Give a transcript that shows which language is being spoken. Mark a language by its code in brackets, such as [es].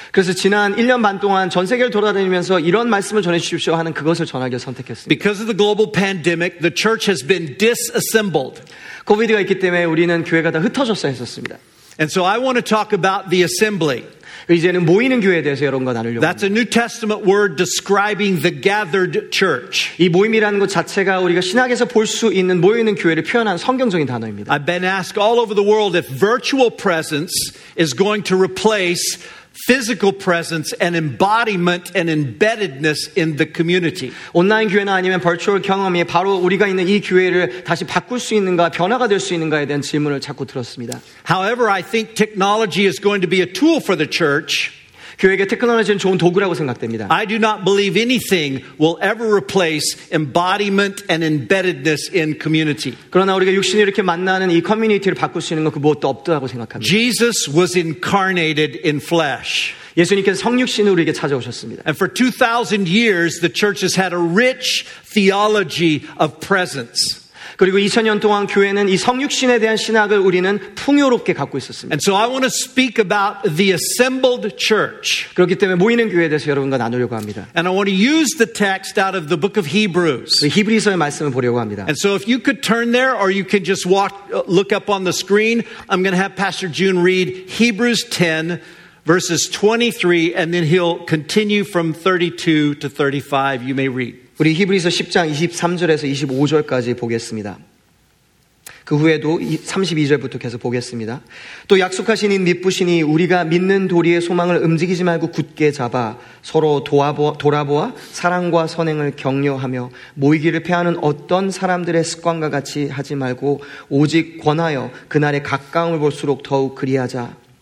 [ko] 그래서 지난 1년 반 동안 전 세계를 돌아다니면서 이런 말씀을 전해 주십시오 하는 그것을 전하기로 선택했습니다. [en] Because of the global pandemic, the church has been disassembled. [ko] 코비드가 있기 때문에 우리는 교회가 다 흩어졌어 했었습니다. [en] And so I want to talk about the assembly. [ko] 이제는 모이는 교회에 대해서 여러분과 나누려고 합니다. [en] That's a New Testament word describing the gathered church. [ko] 이 모임이라는 것 자체가 우리가 신학에서 볼 수 있는 모이는 교회를 표현한 성경적인 단어입니다. [en] I've been asked all over the world if virtual presence is going to replace physical presence and embodiment and embeddedness in the community. [ko] 온라인 교회나 아니면 버추얼 경험이 바로 우리가 있는 이 교회를 다시 바꿀 수 있는가, 변화가 될 수 있는가에 대한 질문을 자꾸 들었습니다. [en] However, I think technology is going to be a tool for the church. [ko] 교회에게 테크놀로지는 좋은 도구라고 생각됩니다. [en] I do not believe anything will ever replace embodiment and embeddedness in community. [ko] 그러나 우리가 육신이 이렇게 만나는 이 커뮤니티를 바꿀 수 있는 건 그 무엇도 없다고 생각합니다. [en] Jesus was incarnated in flesh. [ko] 예수님께서 성육신으로 우리에게 찾아오셨습니다. [en] And for 2000 years the church has had a rich theology of presence. [ko] 그리고 2000년 동안 교회는 이 성육신에 대한 신학을 우리는 풍요롭게 갖고 있었습니다. [en] And so I want to speak about the assembled church. [ko] 그렇기 때문에 모이는 교회에 대해서 여러분과 나누려고 합니다. [en] And I want to use the text out of the book of Hebrews. [ko] 히브리서의 말씀을 보려고 합니다. [en] And so if you could turn there or you can just look up on the screen, I'm going to have Pastor June read Hebrews 10 verses 23 and then he'll continue from 32 to 35. You may read. [ko] 우리 히브리서 10장 23절에서 25절까지 보겠습니다. 그 후에도 32절부터 계속 보겠습니다. 또 약속하신 이 믿부시니 우리가 믿는 도리의 소망을 움직이지 말고 굳게 잡아 서로 돌아보아 사랑과 선행을 격려하며 모이기를 폐하는 어떤 사람들의 습관과 같이 하지 말고 오직 권하여 그날에 가까움을 볼수록 더욱 그리하자.